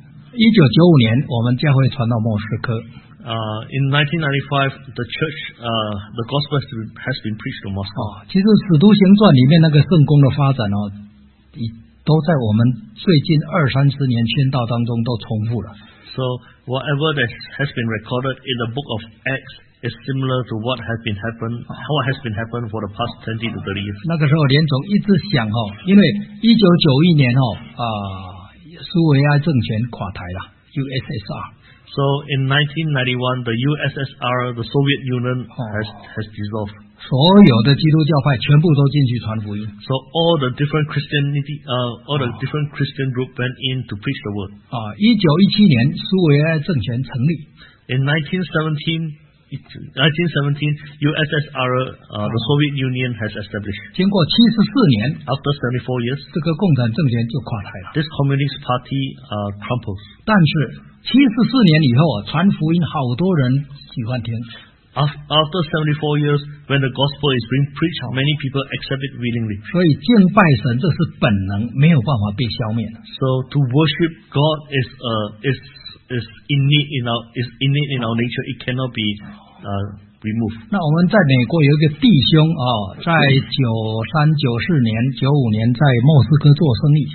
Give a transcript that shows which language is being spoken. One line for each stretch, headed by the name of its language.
Chinese: 1995年，我们教会传到莫斯科。
English: In 1995, the church, the gospel has been preached to Moscow.
Chinese: 其实《使徒行传》里面那个圣公的发展哦，都在我们最近二三十年宣道当中都重复了。
English: So whatever that has been recorded in the book of Acts is similar to what has been happened, what has been happened for the past 20 to 30 years.
Chinese: 那个时候连总一直想哦，因为1991年哦，苏维埃政权垮台了 ，USSR。
English: So in 1991, the USSR, the Soviet Union, has dissolved.
Chinese: 所有的基督教派全部都进去传福音。
English: So all the different Christianity, all the different Christian group went in to preach the word.
Chinese: 1917年苏维埃政权成立。
English: In 1917, USSR, the Soviet Union has established.
Chinese: 经过74年
English: ，after 74 years,
Chinese: 这个共产政权就垮台了。
English: This Communist Party, crumbles.
Chinese: 但是74年以后，传福音好多人喜欢听。
English: After 74 years, when the gospel is being preached, many people accept it willingly.
Chinese: 所以敬拜神这是本能，没有办法被消灭。
English: So to worship God is innate in our nature. It cannot be removed.
Chinese: 那我们在美国有一个弟兄啊，在93、94年、95年在莫斯科做生意。